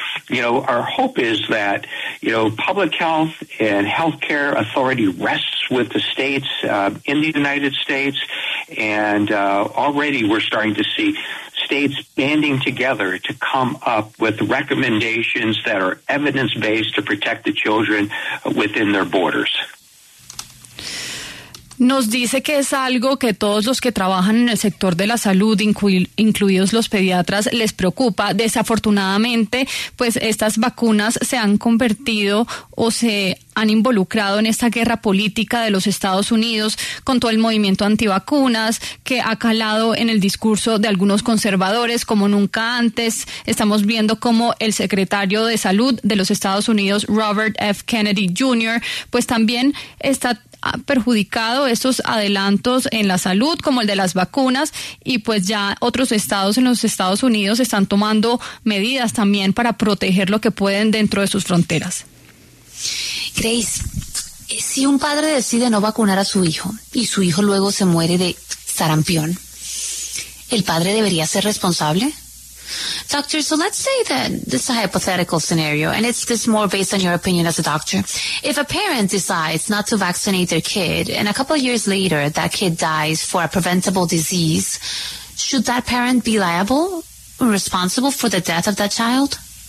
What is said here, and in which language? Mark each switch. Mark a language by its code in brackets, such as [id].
[en] You know, our hope is that, you know, public health and healthcare authority rests with the states in the United States, and already we're starting to see states banding together to come up with recommendations that are evidence-based to protect the children within their borders. [es] Nos dice que es algo que todos los que trabajan en el sector de la salud, incluidos los pediatras, les preocupa. Desafortunadamente, pues estas vacunas se han convertido o se han involucrado en esta guerra política de los Estados Unidos con todo el movimiento antivacunas que ha calado en el discurso de algunos conservadores como nunca antes. Estamos viendo cómo el secretario de salud de los Estados Unidos, Robert F. Kennedy Jr., pues también está perjudicado estos adelantos en la salud como el de las vacunas, y pues ya otros estados en los Estados Unidos están tomando medidas también para proteger lo que pueden dentro de sus fronteras. Grace, si un padre decide no vacunar a su hijo y su hijo luego se muere de sarampión, ¿el padre debería ser responsable? [en] Doctor, so let's say that this is a hypothetical scenario, and it's this more based on your opinion as a doctor. If a parent decides not to vaccinate their kid, and a couple of years later that kid dies for a preventable disease, should that parent be liable, responsible for the death of that child?